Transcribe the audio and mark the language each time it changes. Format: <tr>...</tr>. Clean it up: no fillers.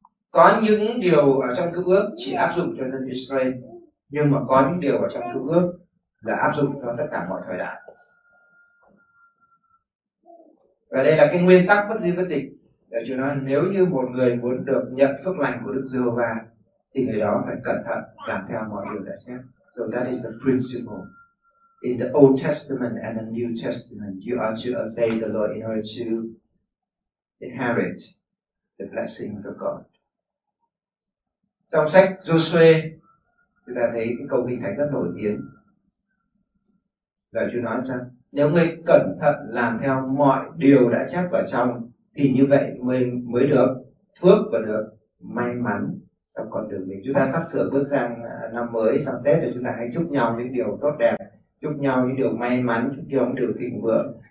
<vi>Có những điều ở trong cựu ước chỉ áp dụng cho dân Israel, nhưng mà có những điều ở trong cựu ước là áp dụng cho tất cả mọi thời đại. Và đây là cái nguyên tắc bất di bất dịch để Chúa nói nếu như một người muốn được nhận phước lành của Đức Giê-hô-va thì người đó phải cẩn thận làm theo mọi điều đã chép.</vi> <en>So that is the principle in the Old Testament and the New Testament. You are to obey the Lord in order to inherit the blessings of God.</en> <vi>Trong sách Giô-suê chúng ta thấy cái câu kinh thánh rất nổi tiếng, lời Chúa nói rằng nếu ngươi cẩn thận làm theo mọi điều đã chép ở trong thì như vậy mới được phước và được may mắn trong con đường mình. Chúng ta sắp sửa bước sang năm mới, sang Tết, thì chúng ta hãy chúc nhau những điều tốt đẹp, chúc nhau những điều may mắn, chúc nhau những điều thịnh vượng.</vi>